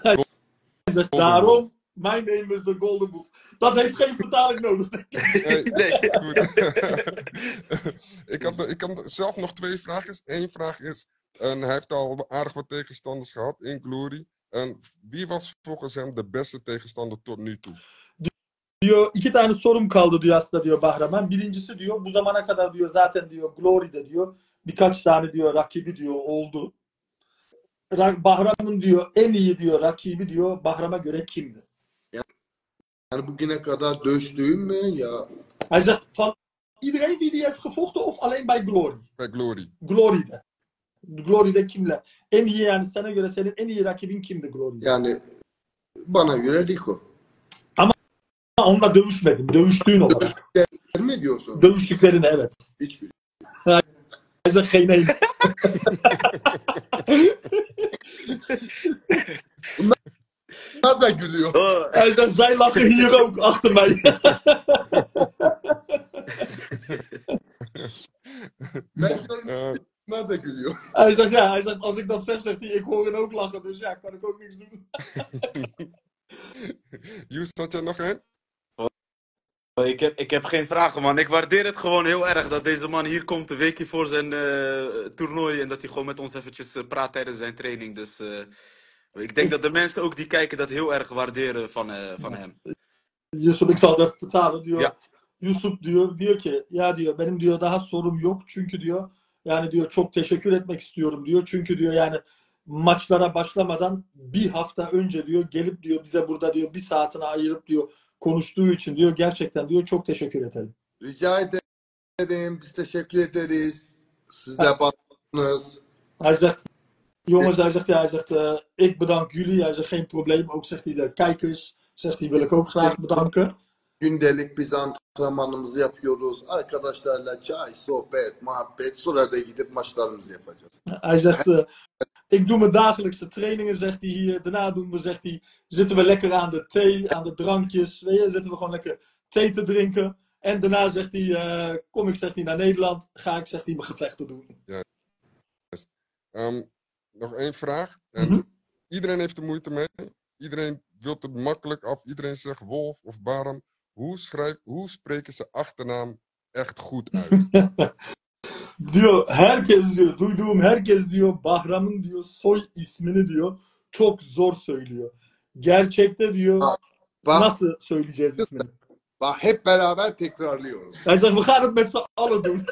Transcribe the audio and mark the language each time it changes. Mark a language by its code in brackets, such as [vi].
[nl] Hij zegt, daarom, [en] my name is the Golden Wolf. [nl] Dat heeft geen vertaling nodig. Nee, nee. Goed. Ik had zelf nog twee vragen. Eén vraag is, en hij heeft al aardig wat tegenstanders gehad in Glory. En wie was volgens hem de beste tegenstander tot nu toe? [tr] Diyor, iki tane sorum kaldı diyor aslında diyor Bahram. Birincisi diyor, bu zamana kadar diyor zaten diyor Glory'de diyor birkaç tane diyor rakibi diyor oldu. Bahram'ın diyor en iyi diyor rakibi diyor Bahram'a göre kimdi? Yani bugüne kadar dövüştüğüm mü ya? [nl] Hij zegt van iedereen wie die heeft gevochten of alleen bij Glory? Bij Glory. [tr] Glory'de. Glory'de kimle? En iyi yani sana göre senin en iyi rakibin kimdi Glory'de? Yani bana göre Rico. Ama onunla dövüşmedin. Dövüştüğün olarak. Dövüştükler mi diyorsun? Dövüştüklerini evet. Hiçbir. [nl] Hij zegt geen ene. [tr] Bunlar da gülüyor. [nl] Hij zegt, zij lachen hier ook achter mij. [tr] Bunlar da gülüyor. [nl] Hij zegt, ja, hij zegt, als ik dat zeg, zegt hij, ik hoor hen ook lachen, dus ja, kan ik ook niks doen. Joes, had jij nog een? Ik heb geen vragen, man. Ik waardeer het gewoon heel erg dat deze man hier komt een weekje voor zijn toernooi en dat hij gewoon met ons eventjes praat tijdens zijn training. Dus ik denk dat de mensen ook die kijken dat heel erg waarderen van hem. Yusuf, ik zal dat vertalen. [tr] Diyor. Ja. Yusuf diyor ki, ja diyor, benim diyor daha sorum yok çünkü diyor, yani diyor çok teşekkür etmek istiyorum diyor. Çünkü diyor yani maçlara başlamadan bir hafta önce diyor gelip diyor bize burada diyor bir saatini ayırıp diyor konuştuğu için diyor, gerçekten diyor çok teşekkür ederim. Rica ederim. Biz teşekkür ederiz. Siz de bağlısınız. Hacat. [nl] Jongens, hij zegt, ik bedank jullie. Hij zegt geen probleem. Ook zegt hij de kijkers, zegt hij, wil ik ook graag bedanken. [tr] Gündelik biz antrenmanımızı yapıyoruz. Arkadaşlarla çay, sohbet, muhabbet. Sonra da gidip maçlarımızı yapacağız. [nl] Hij zegt, ik doe mijn dagelijkse trainingen, zegt hij hier. Daarna doen we, zegt hij, zitten we lekker aan de thee, aan de drankjes. Weet je, zitten we gewoon lekker thee te drinken. En daarna zegt hij, kom ik, zegt hij, naar Nederland. Ga ik, zegt hij, mijn gevechten doen. Ja. Nog één vraag. Iedereen heeft er moeite mee. Iedereen wil het makkelijk af. Iedereen zegt Wolf of Baram. Hoe spreken ze achternaam echt goed uit? [tr] Diyor, herkes diyor. Duyduğum herkes diyor. Bahram'ın diyor soy ismini diyor. Çok zor söylüyor. Gerçekte diyor. Bah, nasıl söyleyeceğiz ismini? Bah, hep beraber tekrarlıyorum. Ben sana bakarım mesela alalım.